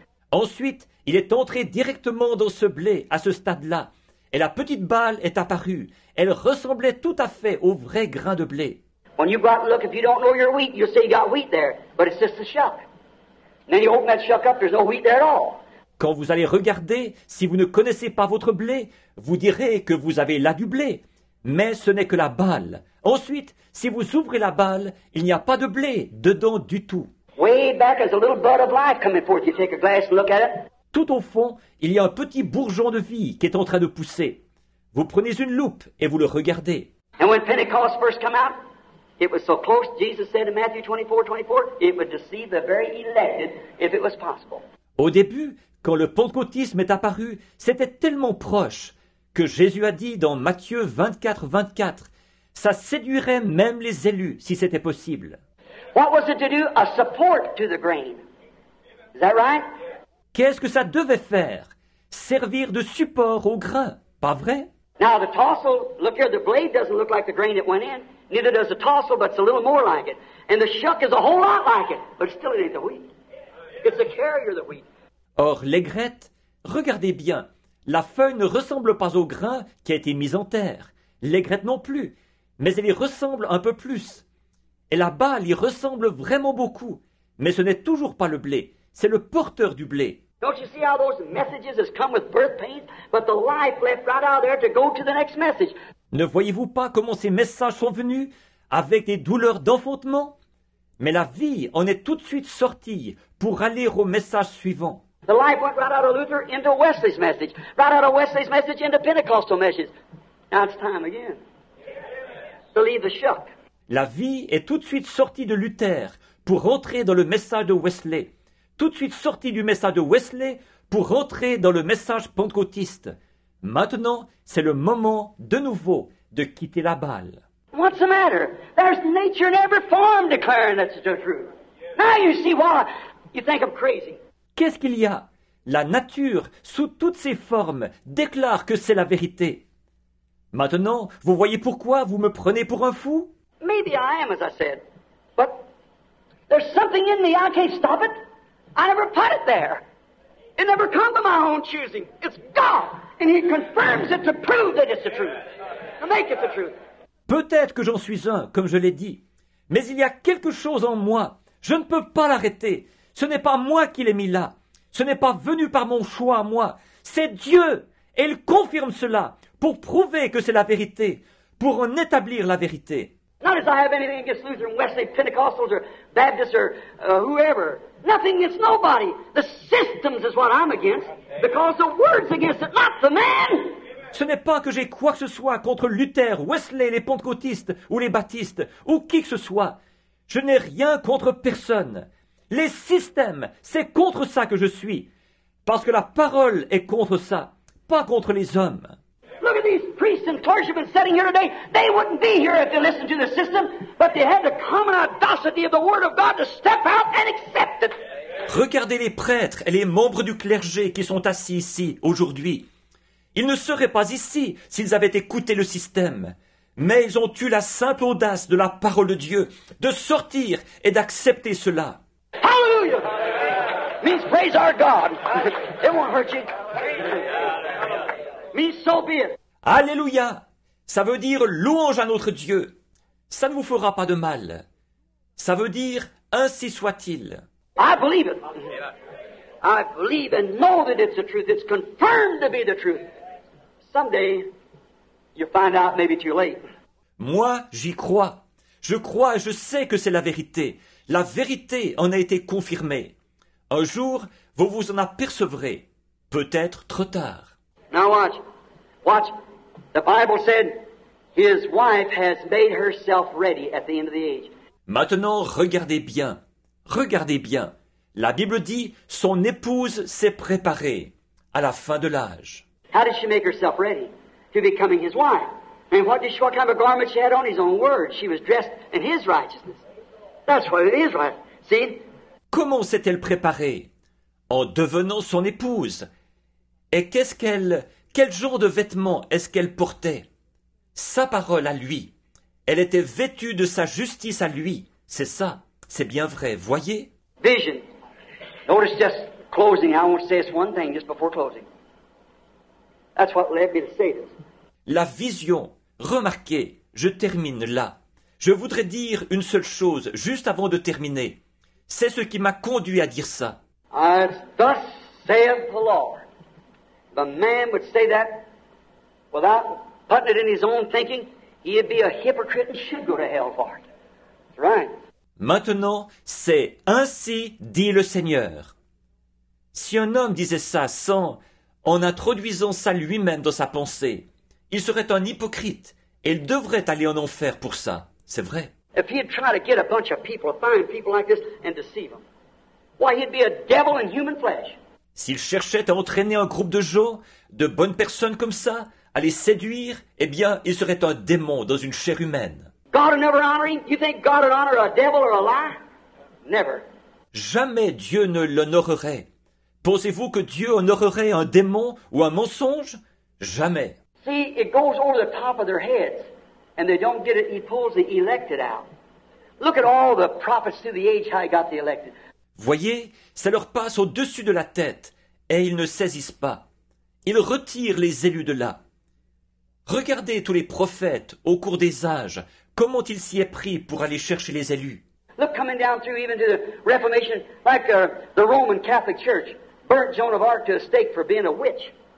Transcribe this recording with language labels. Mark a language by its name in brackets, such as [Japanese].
[French] Ensuite, il est entré directement dans ce blé à ce stade-là, et la petite balle est apparue. Elle ressemblait tout à fait au vrai grain de blé. [English] When you go out and look, if you don't know your wheat, you'll say you got wheat there, but it's just a shuck. Then you open that shuck up, there's no wheat there at all. [French] Quand vous allez regarder, si vous ne connaissez pas votre blé, vous direz que vous avez là du blé, mais ce n'est que la balle. Ensuite, si vous ouvrez la balle, il n'y a pas de blé dedans du tout. [English] Way back is a little bud of life coming forth. You take a glass and look at it. [French] Tout au fond, il y a un petit bourgeon de vie qui est en train de pousser. Vous prenez une loupe et vous le regardez. [English] And when Pentecost first came out, it was so close, Jesus said in Matthew 24:24, it would deceive the very elected if it was possible. [French] Au début, quand le pentecôtisme est apparu, c'était tellement proche que Jésus a dit dans Matthieu 24:24, ça séduirait même les élus si c'était possible. [English] What was it to do? A support to the grain. Is that right? [French] Qu'est-ce que ça devait faire? Servir de support au grain, pas vrai? [English] Now the tassel, look here, the blade doesn't look like the grain that went in. Neither does the tassel, but it's a little more like it. And the shuck is a whole lot like it, but still it ain't the wheat. It's the carrier of the wheat. [French] Or, l'aigrette, regardez bien, la feuille ne ressemble pas au grain qui a été mis en terre. L'aigrette non plus, mais elle y ressemble un peu plus. Et la balle y ressemble vraiment beaucoup, mais ce n'est toujours pas le blé, c'est le porteur du blé. [English] Don't you see how those messages has come with birth pains, but the life left right out there to go to the next message? [French] Ne voyez-vous pas comment ces messages sont venus avec des douleurs d'enfantement? Mais la vie en est tout de suite sortie pour aller au message suivant. [English] The life went right out of Luther into Wesley's message, right out of Wesley's message into Pentecostal message. Now it's time again to leave the shuck. [French] La vie est tout de suite sortie de Luther pour rentrer dans le message de Wesley, tout de suite sortie du message de Wesley pour rentrer dans le message pentecôtiste. Maintenant, c'est le moment de nouveau de quitter la balle. [English] What's the matter? There's nature in every form declaring that's the truth. Now you see why you think I'm crazy. [French] Qu'est-ce qu'il y a? La nature, sous toutes ses formes, déclare que c'est la vérité. Maintenant, vous voyez pourquoi vous me prenez pour un fou? [English] Maybe I am, as I said. But there's something in me, I can't stop it. I never put it there. It never come by my own choosing. It's God, and he confirms it to prove that it's the truth. To make it the truth. [French] Peut-être que j'en suis un, comme je l'ai dit. Mais il y a quelque chose en moi. Je ne peux pas l'arrêter. Ce n'est pas moi qui l'ai mis là. Ce n'est pas venu par mon choix à moi. C'est Dieu. Et il confirme cela pour prouver que c'est la vérité, pour en établir la vérité. [English] Not as I have anything against Luther and Wesley, Pentecostals or Baptists or whoever. Nothing against nobody. The systems is what I'm against. Because the word's against it, not the man. [French] Ce n'est pas que j'ai quoi que ce soit contre Luther, Wesley, les pentecôtistes ou les baptistes ou qui que ce soit. Je n'ai rien contre personne. Les systèmes, c'est contre ça que je suis. Parce que la parole est contre ça, pas contre les hommes. [English] Look at these priests and clergymen sitting here today. They wouldn't be here if they listened to the system, but they had the common audacity of the word of God to step out and accept it. [French] Regardez les prêtres et les membres du clergé qui sont assis ici aujourd'hui. Ils ne seraient pas ici s'ils avaient écouté le système. Mais ils ont eu la simple audace de la parole de Dieu, de sortir et d'accepter cela. [English] Hallelujah! Means praise our God. It won't hurt you. Means so be it. [French] Alléluia! Ça veut dire « louange à notre Dieu ». Ça ne vous fera pas de mal. Ça veut dire « ainsi soit-il ». [English] I believe it. I believe and know that it's the truth. It's confirmed to be the truth. Someday, you'll find out maybe too late. [French] Moi, j'y crois. Je crois et je sais que c'est la vérité. La vérité en a été confirmée. Un jour, vous vous en apercevrez. Peut-être trop tard. [English] Now watch. Watch. The Bible said, his wife has made herself ready at the end of the age. [French] Maintenant, regardez bien. Regardez bien. La Bible dit, son épouse s'est préparée à la fin de l'âge. [English] How did she make herself ready to becoming his wife? And what did she, what kind of a garment she had on? His own words. She was dressed in his righteousness. That's what it is, right? See? [French] Comment s'est-elle préparée? En devenant son épouse. Et qu'est-ce qu'elle, quel genre de vêtements est-ce qu'elle portait? Sa parole à lui. Elle était vêtue de sa justice à lui. C'est ça. C'est bien vrai. Voyez? [English] Vision. Notice just closing. I want to say this one thing just before closing. That's what led me to say this. [French] La vision. Remarquez, je termine là. Je voudrais dire une seule chose juste avant de terminer. C'est ce qui m'a conduit à dire ça. [English] As thus saith the Lord. The man would say that without putting it in his own thinking, he'd be a hypocrite and should go to hell for it. That's right. [French] Maintenant, c'est ainsi dit le Seigneur. Si un homme disait ça sans, en introduisant ça lui-même dans sa pensée, il serait un hypocrite et il devrait aller en enfer pour ça. C'est vrai. [English] If he had tried to get a bunch of people, find people like this and deceive them, why he'd be a devil in human flesh. [French] S'il cherchait à entraîner un groupe de gens, de bonnes personnes comme ça, à les séduire, eh bien, il serait un démon dans une chair humaine. [English] God would never honor him. You think God would honor a devil or a liar? Never. [French] Jamais Dieu ne l'honorerait. Pensez-vous que Dieu honorerait un démon ou un mensonge? Jamais. [English] See, it goes over the top of their heads, and they don't get it. He pulls the elected out. Look at all the prophets through the age how he got the elected. [French] Voyez, ça leur passe au-dessus de la tête, et ils ne saisissent pas. Ils retirent les élus de là. Regardez tous les prophètes au cours des âges, comment ils s'y est pris pour aller chercher les élus. [English] Look, coming down through even to the Reformation, like the Roman Catholic Church, burnt Joan of Arc to a stake for being a witch.